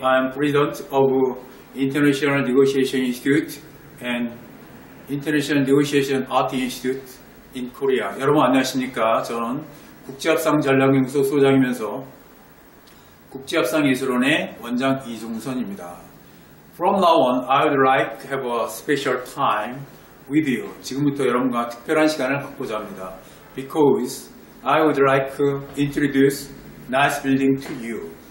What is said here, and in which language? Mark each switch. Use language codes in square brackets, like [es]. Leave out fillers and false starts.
[en] I'm president of International Negotiation Institute and International Negotiation Art Institute in Korea. [ko] 여러분, 안녕하십니까? 저는 국제협상전략연구소 소장이면서 국제협상예술원의 원장 이종선입니다. [en] From now on, I would like to have a special time with you. [ko] 지금부터 여러분과 특별한 시간을 갖고자 합니다. [en] Because I would like to introduce nice building to you.